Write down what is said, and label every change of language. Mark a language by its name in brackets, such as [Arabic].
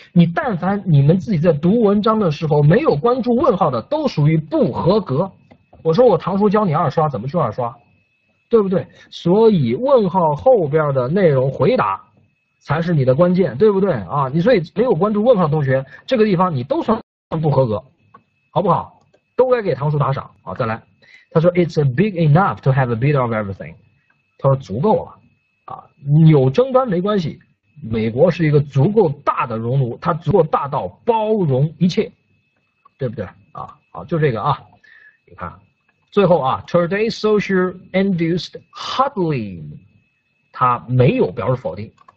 [Chinese] 你但凡你们自己在读文章的时候没有关注问号的，都属于不合格。我说我唐叔教你二刷，怎么去二刷，对不对？所以问号后边的内容回答。才是你的关键，对不对啊？你所以没有关注问号同学，这个地方你都算不合格，好不好？都该给唐叔打赏。好，再来。他说， [English] It's big enough to have a bit of everything。 [Chinese] 他说足够了，啊，有争端没关系。美国是一个足够大的熔炉，它足够大到包容一切，对不对啊？好，就这个啊。你看，最后啊， [English] Today's social-induced huddling， [Chinese] 他没有表示否定。